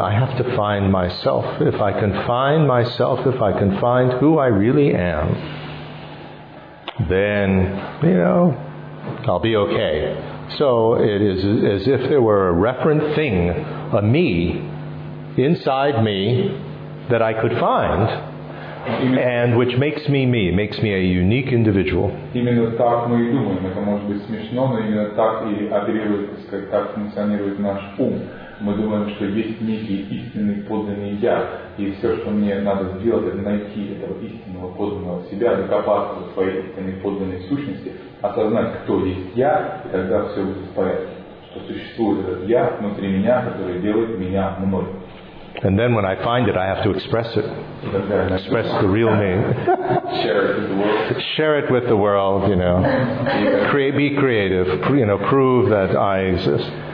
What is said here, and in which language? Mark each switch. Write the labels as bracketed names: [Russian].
[English] I have to find myself. If I can find myself, if I can find who I really am, then, you know, I'll be okay. So it is as if there were a referent thing, a me, inside me, that I could find, and which makes me me, makes me a unique individual. [Russian] Именно так мы и думаем. Это может быть смешно, но именно так и оперирует, так функционирует наш ум. Мы думаем, что есть некий истинный подлинный я, и все, что мне надо сделать, это найти этого истинного подлинного себя, докопаться до своей истинной подлинной сущности, осознать, кто есть я, и тогда все будет в порядке, что существует этот я внутри меня, который делает меня мной. [English] And then when I find it, I have to express it. Express the real me. Share it with the world. Share it with the world, you know. Be creative, you know, prove that I exist.